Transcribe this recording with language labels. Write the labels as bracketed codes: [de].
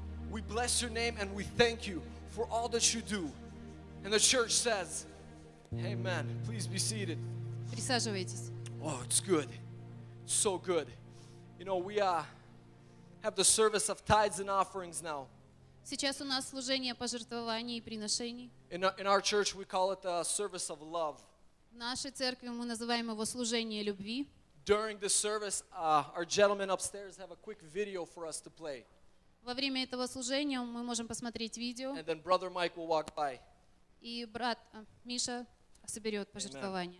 [en] We bless your name and we thank you for all that you do. And the church says, Amen. Please be seated. [ru] Присаживайтесь. [en] Oh, it's good. So good. You know, we have the service of tithes and offerings now. [ru] Сейчас у нас служение пожертвований и приношений. [en] In our church, we call it the service of love. [ru] В нашей церкви мы называем его служение любви. [en] During the service, our gentlemen upstairs have a quick video for us to play. [ru] Во время этого служения мы можем посмотреть видео. [en] And then Brother Mike will walk by. [ru] И брат Миша соберет пожертвования.